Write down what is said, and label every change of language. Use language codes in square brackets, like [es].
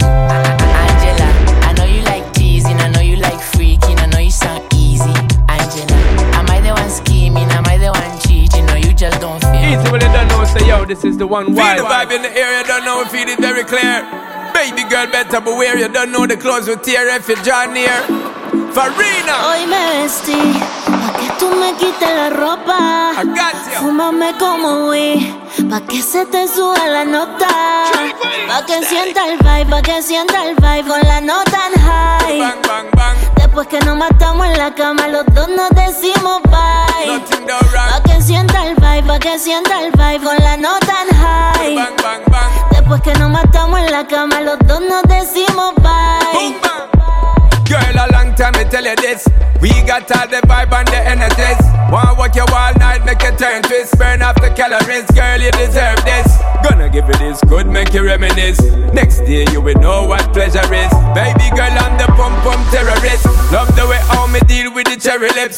[en] Angela, I know you like teasing, I know you like freaking, I know you sound easy. Angela, am I the one scheming, am I the one cheating? Just don't feel easy when you don't know, say yo, this is the one. Feel the vibe in the area, don't know, feel it very clear. Baby girl, better beware, you don't know the clothes will tear if you draw near. Farina! [es] Hoy me vestí, pa' que tú me quites la ropa. [en] I got you. [es] Fúmame como weed, pa' que se te suba la nota. Pa' que sienta el [en] vibe, [es] pa' que sienta el vibe con la nota en high. [en] Bang, bang, bang. [es] Después que nos matamos en la cama, los dos nos decimos bye. [en] Nothing go wrong. [es] Pa' que sienta el [en] vibe, [es] pa' que sienta el vibe con la nota en high. [en] Bang, bang, bang. [es] Después que nos matamos en la cama, los dos nos decimos bye. [en] Boom, bang. Girl, a long time me tell you this. We got all the vibe and the energies. Want work you all night, make you turn twist. Burn off the calories, girl, you deserve this. Gonna give you this good, make you reminisce. Next day you will know what pleasure is. Baby girl, I'm the pump pump terrorist. Love the way how me deal with the cherry lips.